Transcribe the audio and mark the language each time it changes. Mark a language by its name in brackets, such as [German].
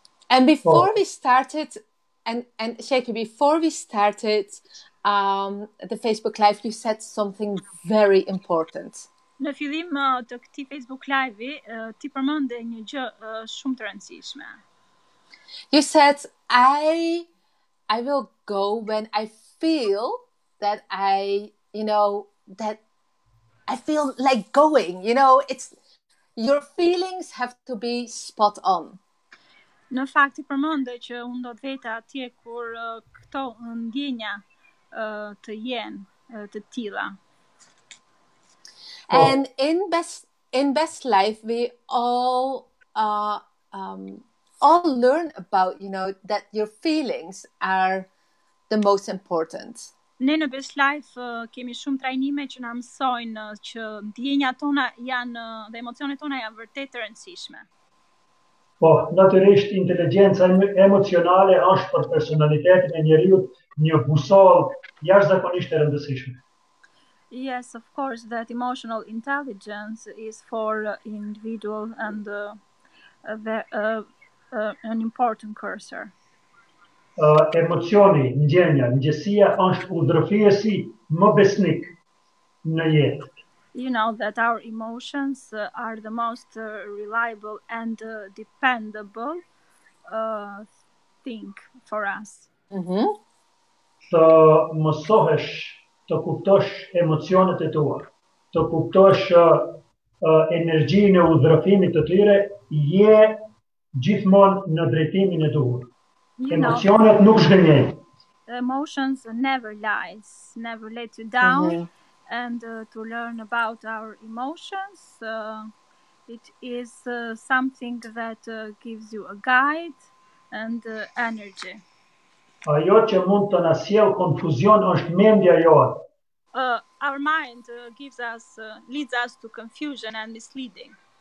[English] And before we started, and Sheki, before we started the Facebook Live, you said something very important. [Albanian] Në fillim të këtij Facebook Live, ti përmende një gjë shumë të rëndësishme. [English] You said, I will go when I feel that I feel like going, you know, it's, your feelings have to be spot on. [Albanian] Në fakt, ti përmende që unë do të veta atje kur këto ndjenja të jenë të tilla. [English] And in best life, we all learn about, you know, that your feelings are the most important. [Albanian] Ne në best life kemi shumë trajnime që na mësojnë që ndjenjat tona janë dhe emocionet tona janë vërtet të rëndësishme. Po, natyrisht inteligjenca emocionale është për personalitetin e njerëzit një busollë jashtëzakonisht e rëndësishme. [English] Yes, of course, that emotional intelligence is for individual and an important cursor. [Albanian] Emocioni, ndjenja, ndjesia është udhëfiesi më besnik në jetë. [English] You know that our emotions are the most reliable and dependable thing for us. Mm-hmm. [Albanian] Të mësohesh të kuptosh emocionet e tua, të kuptosh energjinë e udhërimit të tyre, je gjithmonë në drejtimin e duhur. Emocionet nuk zhgënjejnë. [English] Emotions never lies, never let you down. Mm-hmm. And to learn about our emotions, it is something that gives you a guide and energy. [Albanian] Ajo që mund të na sjell konfuzion është mendja jote. [English] Our mind gives us leads us to confusion and misleading.